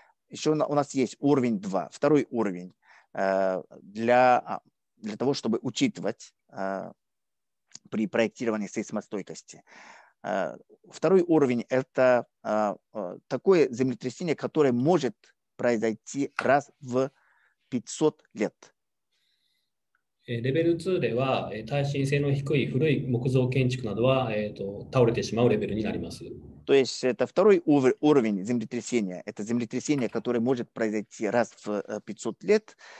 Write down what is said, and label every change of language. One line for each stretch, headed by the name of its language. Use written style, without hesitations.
Russian: Еще у нас есть уровень 2, второй уровень для того, чтобы учитывать при проектировании сейсмостойкости. Второй уровень это такое землетрясение, которое может произойти раз в 500 лет.
Japanese: レベル2では耐震性の低い古い木造建築などは倒れてしまうレベルになります。
Russian: То есть это второй уровень землетрясения. Это землетрясение, которое может произойти раз в 500 лет.